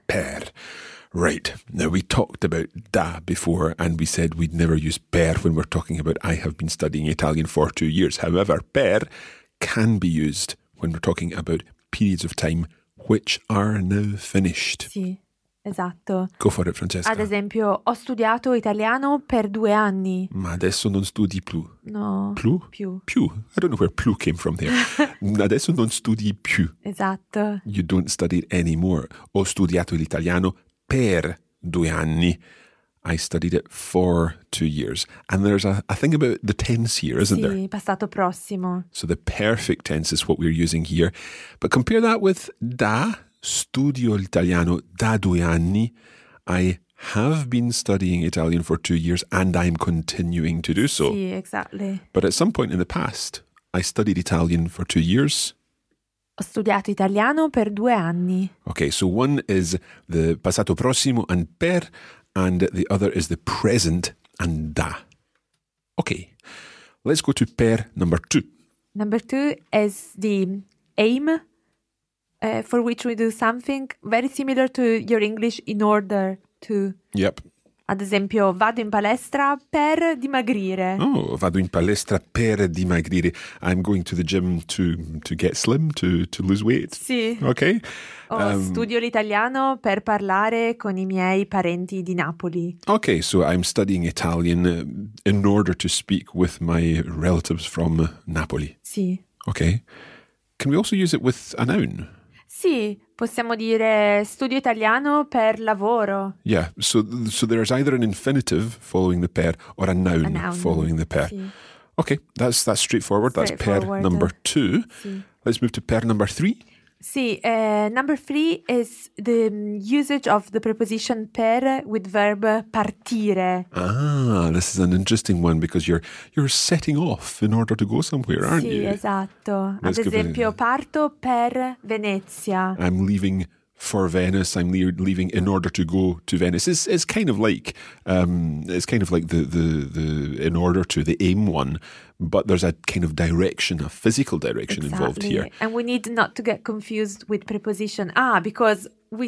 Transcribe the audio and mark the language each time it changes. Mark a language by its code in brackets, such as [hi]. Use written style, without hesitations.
[en] Per. Right. Now, we talked about da before and we said we'd never use per when we're talking about I have been studying Italian for 2 years. However, per can be used when we're talking about periods of time which are now finished. [it] Sì, esatto. [en] Go for it, Francesca. [it] Ad esempio, ho studiato italiano per 2 anni. Ma adesso non studi più. No. Più? Più. Più. [en] I don't know where più came from there. [it] Adesso non studi più. Esatto. [en] You don't study anymore. [it] Ho studiato l'italiano per 2 anni. [en] I studied it for 2 years. And there's a thing about the tense here, isn't there? [it] Sì, passato prossimo. [en] So the perfect tense is what we're using here. But compare that with da, [it] studio l'italiano da 2 anni. [en] I have been studying Italian for 2 years and I'm continuing to do so. Sì, exactly. But at some point in the past, I studied Italian for 2 years. [it] Ho studiato italiano per 2 anni. [en] Okay, so one is the passato prossimo and per... And the other is the present and da. Okay, let's go to per number two. Number two is the aim for which we do something very similar to your English in order to. Yep. [it] Ad esempio, vado in palestra per dimagrire. Oh, vado in palestra per dimagrire. [en] I'm going to the gym to get slim, to lose weight. [it] Sì. [en] Okay. [it] Studio l'italiano per parlare con I miei parenti di Napoli. [en] Okay, so I'm studying Italian in order to speak with my relatives from Napoli. [it] Sì. [en] Okay. Can we also use it with a noun? [it] Sì, possiamo dire studio italiano per lavoro. [en] Yeah, so there is either an infinitive following the per or a noun following the per. [it] Sì. [en] Okay, that's straightforward. That's per number two. [it] Sì. [en] Let's move to per number three. Sì, number three is the usage of the preposition per with verb partire. Ah, this is an interesting one because you're setting off in order to go somewhere, aren't you? [it] Sì, esatto. Ad esempio, parto per Venezia. [en] I'm leaving for Venice. I'm leaving in order to go to Venice. It's kind of like the in order to the aim one. But there's a kind of direction, a physical direction exactly. involved here. And we need not to get confused with preposition. Ah, because we